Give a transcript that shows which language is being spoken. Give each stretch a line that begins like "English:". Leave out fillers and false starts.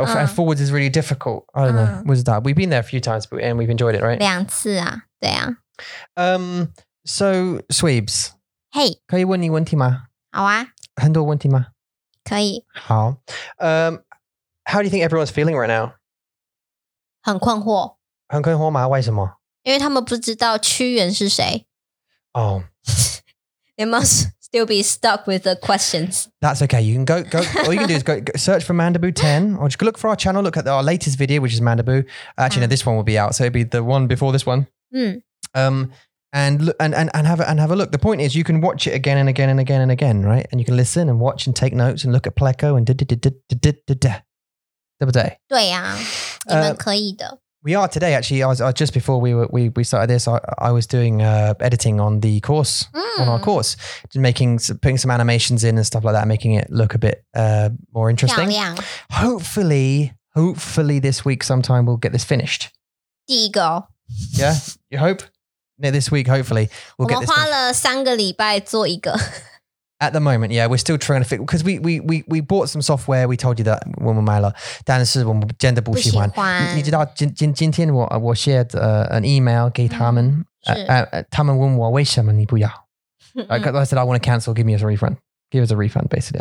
English: Forwards is really difficult. I don't know. What's that? We've been there a few times, but and we've enjoyed it, right?
Chinese: 两次啊，对啊。
English: So, Sweebs. Hey.
Chinese: 可以问你问题吗？好啊。很多问题吗？可以。好。
English: How do you think everyone's feeling right now?
Chinese: 很困惑。很困惑吗？为什么？因为他们不知道屈原是谁。
English: Oh. They must still be stuck with the questions. That's okay. You can go. All you can do is go search for Mandaboo 10 or just look for our channel. Look at our latest video, which is Mandaboo. Actually, no, this one will be out. So it'll be the one before this one. And have a look. The point is you can watch it again and again and again and again, right? And you can listen and watch and take notes and look at Pleco and da-da-da-da-da-da-da-da. Double day.
Chinese: 对呀，你们可以的。
English: We are today, actually. I was doing editing on the course, on our course, putting some animations in and stuff like that, making it look a bit more interesting.
Chinese: 漂亮。
English: Hopefully this week sometime we'll get this finished.
Chinese: 第一个。
English: Yeah, you hope? No, this week, hopefully, we'll get this finished.
Chinese: 我们花了三个礼拜做一个。
English: At the moment, yeah, we're still trying to figure, because we bought some software, we told you that when we bought it, but we really don't like it. You know, today I shared an email to them, they asked me why you don't like it. I said, I want to cancel, give us a refund, basically.